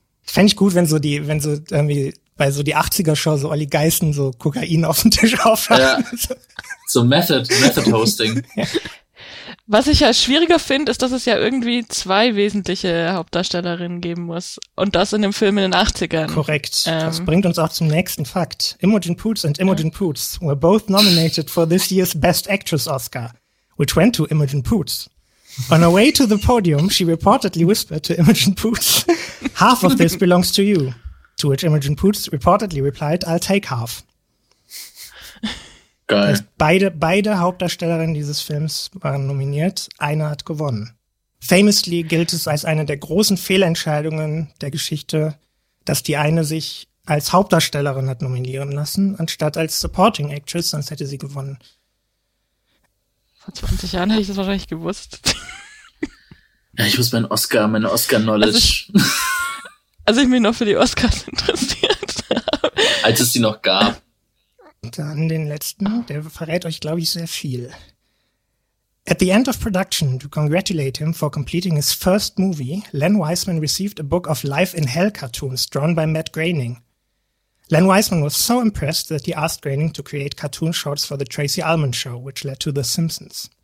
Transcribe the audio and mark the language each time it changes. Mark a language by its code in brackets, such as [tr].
[de] Fände ich gut, wenn so irgendwie bei so die 80er-Show so Olli Geissen so Kokain auf dem Tisch aufhört. Ja. So Method-Hosting. Was ich ja schwieriger finde, ist, dass es ja irgendwie zwei wesentliche Hauptdarstellerinnen geben muss. Und das in dem Film in den 80ern. Korrekt. Das bringt uns auch zum nächsten Fakt. [en] Imogen Poots and Imogen Poots were both nominated for this year's Best Actress Oscar, which went to Imogen Poots. On her way to the podium, she reportedly whispered to Imogen Poots, "Half of this belongs to you." To which Imogen Poots reportedly replied, "I'll take half." [de] Geil. Beide Hauptdarstellerinnen dieses Films waren nominiert. Eine hat gewonnen. Famously gilt es als eine der großen Fehlentscheidungen der Geschichte, dass die eine sich als Hauptdarstellerin hat nominieren lassen, anstatt als Supporting Actress, sonst hätte sie gewonnen. Vor 20 Jahren hätte ich das wahrscheinlich gewusst. Ja, ich muss meine Oscar-Knowledge. Als ich mich noch für die Oscars interessiert habe. Als es sie noch gab. Dann den letzten, der verrät euch, glaube ich, sehr viel. [en] At the end of production, to congratulate him for completing his first movie, Len Wiseman received a book of Life in Hell cartoons drawn by Matt Groening. Len Wiseman was so impressed that he asked Groening to create cartoon shorts for the Tracy Ullman show, which led to The Simpsons.